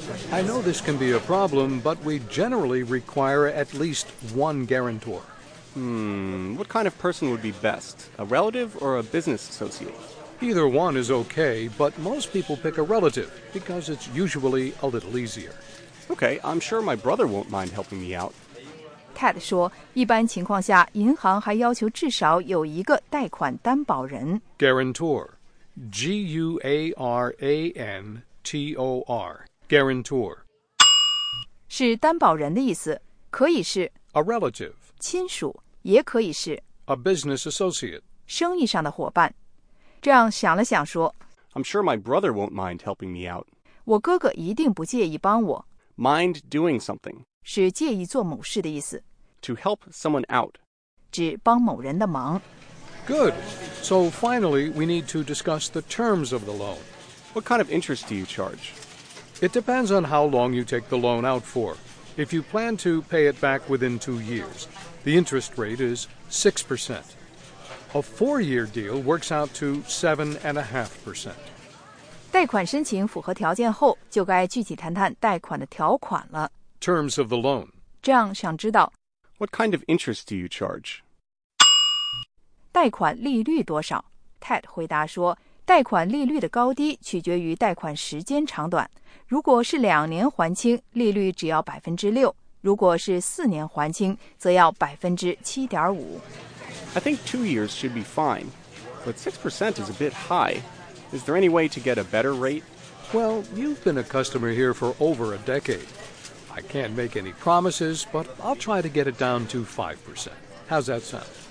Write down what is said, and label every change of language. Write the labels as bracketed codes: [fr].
[en] I know this can be a problem, but we generally require at least one guarantor. What kind of person would be best? A relative or a business associate? Either one is okay, but most people pick a relative because it's usually a little easier. Okay, I'm sure my brother won't mind helping me out. [zh] Ted 说，一般情况下，银行还要求至少有一个贷款担保人。 [en] Guarantor, G-U-A-R-A-N-T-O-R, guarantor. [zh] 是担保人的意思，可以是 [en] a relative, [zh] 亲属，也可以是 [en] a business associate, [zh] 生意上的伙伴。这样想了想说 [en] I'm sure my brother won't mind helping me out. [zh] 我哥哥一定不介意帮我。 [en] Mind doing something. [zh] 是介意做某事的意思。 [en] To help someone out. [zh] 指帮某人的忙。 [en] Good. So finally, we need to discuss the terms of the loan. What kind of interest do you charge? It depends on how long you take the loan out for. If you plan to pay it back within 2 years, the interest rate is 6%. A 4-year deal works out to 7.5%. [zh] 贷款申请符合条件后，就该具体谈谈贷款的条款了。 [en] Terms of the loan. [zh] 这样想知道 [en] What kind of interest do you charge? [zh] 贷款利率多少? Ted 回答说，贷款利率的高低取决于贷款时间长短。如果是2年还清，利率只要6%；如果是4年还清，则要7.5%。 [en] I think 2 years should be fine, but 6% is a bit high. Is there any way to get a better rate? Well, you've been a customer here for over a decade. I can't make any promises, but I'll try to get it down to 5%. How's that sound?